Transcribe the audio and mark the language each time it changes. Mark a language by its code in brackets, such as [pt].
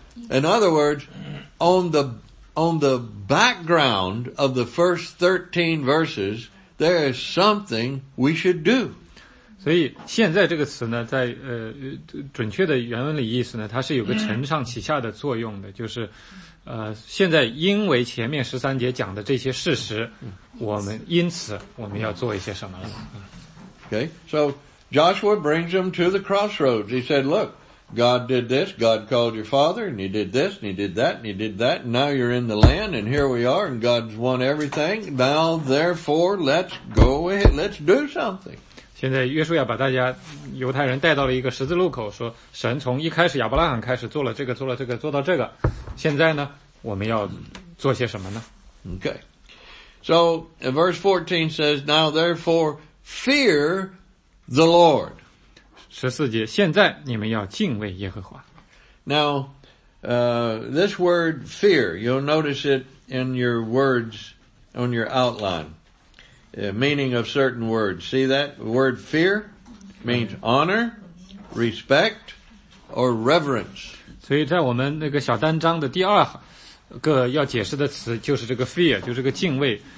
[en] In other words, on the background of the first 13 verses, there is something we should do. [zh] 所以现在这个词呢，在准确的原文里意思呢，它是有个承上启下的作用的，就是现在因为前面十三节讲的这些事实，因此我们要做一些什么了。 [en] Okay, so Joshua brings them to the crossroads. He said, look, God did this, God called your father, and he did this, and he did that, and he did that, and now you're in the land, and here we are, and God's won everything. Now, therefore, let's go ahead, let's do something. [zh] 现在约书亚把大家犹太人带到了一个十字路口，说神从一开始亚伯拉罕开始做了这个，做了这个，做到这个。现在呢，我们要做些什么呢 [en] ？Okay, so verse 14 says, "Now therefore fear the Lord." [zh] 十四节，现在你们要敬畏耶和华。 [en] Now, this word fear, you'll notice it in your words on your outline. Meaning of certain words. See that? The word fear means honor, respect, or reverence. [zh] 所以在我们那个小单章的第二个要解释的词就是这个 fear, 就是个敬畏。